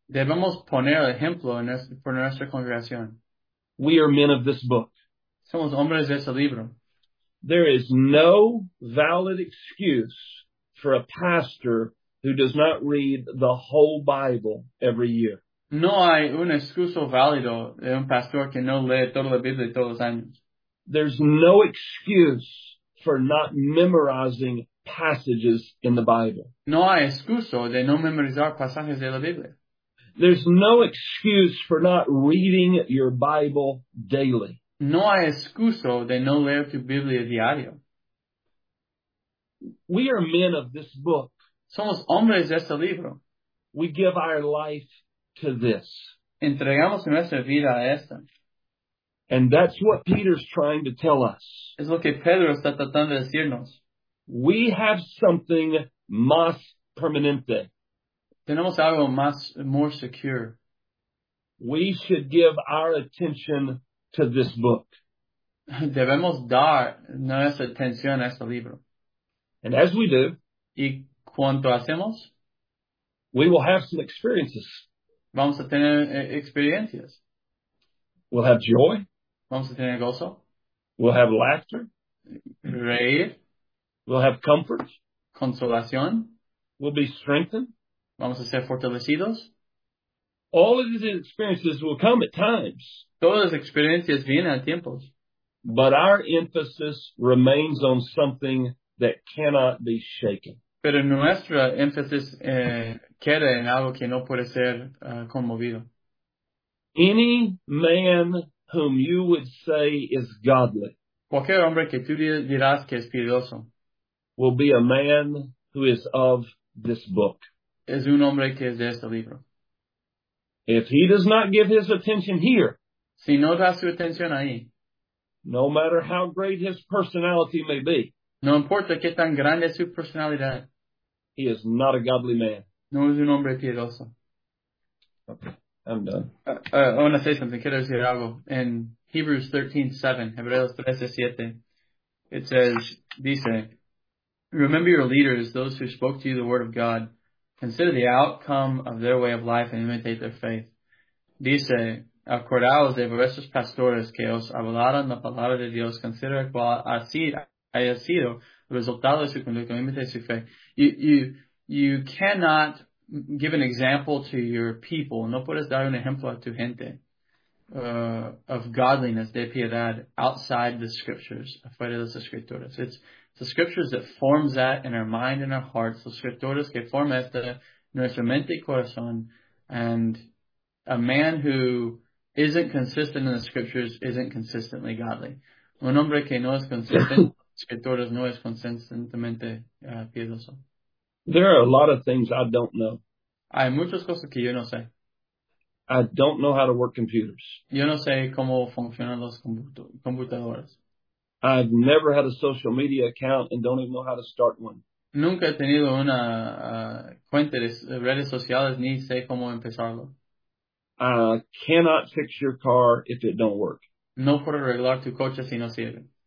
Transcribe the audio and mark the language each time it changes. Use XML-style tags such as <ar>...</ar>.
<es>Debemos poner el ejemplo en nuestra congregación.</es> <en>We are men of this book.</en> <es>Somos hombres de ese libro.</es> <en>There is no valid excuse for a pastor who does not read the whole Bible every year.</en> <es>No hay un excuso válido de un pastor que no lee toda la Biblia todos los años.</es> <en>There's no excuse for not memorizing passages in the Bible.</en> <es>No hay excuso de no memorizar pasajes de la Biblia.</es> <en>There's no excuse for not reading your Bible daily.</en> <es>No hay excuso de no leer tu Biblia diario.</es> <en>We are men of this book.</en> <es>Somos hombres de este libro.</es> <en>We give our life to this.</en> <es>Entregamos nuestra vida a esta.</es> <en>And that's what Peter's trying to tell us.</en> <es>Es lo que Pedro está tratando de decirnos.</es> <en>We have something</en> <es>más permanente. Tenemos algo más,</es> <en>more secure. We should give our attention to this book.</en> <es>Debemos dar nuestra atención a este libro.</es> <en>And as we do,</en> <es>y cuanto hacemos,</es> <en>we will have some experiences.</en> <es>Vamos a tener experiencias.</es> <en>We'll have joy.</en> <es>Vamos a tener gozo.</es> <en>We'll have laughter.</en> <es>Reír.</es> <en>We'll have comfort.</en> <es>Consolación.</es> <en>We'll be strengthened.</en> <es>Vamos a ser fortalecidos.</es> <en>All of these experiences will come at times.</en> <es>Todas las experiencias vienen a tiempos.</es> <en>But our emphasis remains on something that cannot be shaken.</en> <es>Pero nuestro énfasis queda en algo que no puede ser conmovido.</es> <en>Any man whom you would say is godly.</en> <es>Cualquier hombre que tú dirás que es piedoso.</es> <en>Will be a man who is of this book.</en> <es>Es un hombre que es de este libro.</es> <en>If he does not give his attention here.</en> <es>Si no da su atención ahí.</es> <en>No matter how great his personality may be.</en> <es>No importa qué tan grande es su personalidad.</es> <en>He is not a godly man.</en> <es>No es un hombre piedoso.</es> <en>Okay, I'm done. I want to say something.</en> <es>Quiero decir algo.</es> <en>In Hebrews 13:7, it says,</en> <es>dice,</es> <en>remember your leaders, those who spoke to you the word of God. Consider the outcome of their way of life and imitate their faith.</en> <es>Dice, acordaos de vuestros pastores que os hablaron la palabra de Dios. Consider cual así haya sido el resultado de su conducta. Imite su fe.</es> <en>You cannot give an example to your people.</en> <es>No puedes dar un ejemplo a tu gente</es> <en>of godliness,</en> <es>de piedad,</es> <en>outside the scriptures,</en> <es>afuera de las escrituras.</es> <en>It's the scriptures that forms that in our mind and our hearts.</en> <es>Los escrituras que forman esta nuestra mente y corazón.</es> <en>And a man who isn't consistent in the scriptures isn't consistently godly.</en> <es>Un hombre que no es consistente en las escrituras no es consistentemente piedoso.</es> <en>There are a lot of things I don't know.</en> <es>Hay muchas cosas que yo no sé.</es> <en>I don't know how to work computers.</en> <es>Yo no sé cómo funcionan los computadores.</es> <en>I've never had a social media account and don't even know how to start one.</en> <es>Nunca he tenido una cuenta de redes sociales ni sé cómo empezarlo.</es> <en>I cannot fix your car if it don't work.</en> <es>No puedo arreglar tu coche si no sirve.</es>